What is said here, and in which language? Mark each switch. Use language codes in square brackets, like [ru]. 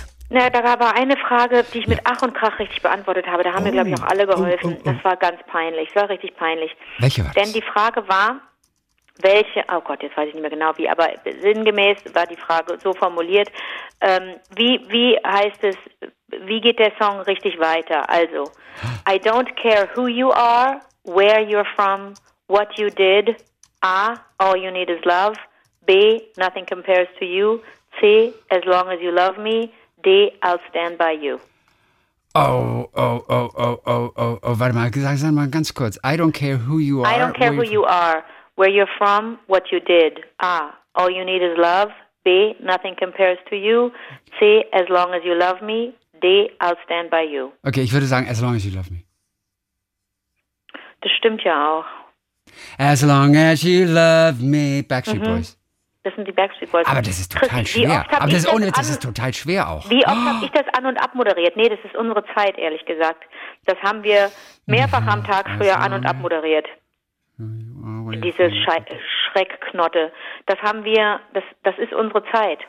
[de] Na, da war eine Frage, die ich mit Ach und Krach richtig beantwortet habe. Da haben mir, glaube ich, auch alle geholfen. Das war ganz peinlich. Das war richtig peinlich. Welche war das? Denn die Frage war, welche, oh Gott, jetzt weiß ich nicht mehr genau wie, aber sinngemäß war die Frage so formuliert, wie heißt es, wie geht der Song richtig weiter? [en] Also, I don't care who you are, where you're from, what you did, A, all you need is love, B, nothing compares to you, C, as long as you love me, D, I'll stand by you. [de] Oh, warte mal, sag mal ganz kurz. [en] I don't care who you are. I don't care who you are, where you're from, what you did. A, all you need is love. B, nothing compares to you. C, as long as you love me. D, I'll stand by you. Okay, [de] ich würde sagen, [en] as long as you love me. [de] Das stimmt ja auch. [en] As long as you love me, Backstreet Boys. [de] Das sind die Backstreet Boys. Aber das ist total schwer. Aber das ist ohne Witz, das ist total schwer auch. Wie oft habe ich das an- und abmoderiert? Nee, das ist unsere Zeit, ehrlich gesagt. Das haben wir mehrfach am Tag früher an- und abmoderiert. Diese Schreckknotte. Das haben wir, das ist unsere Zeit.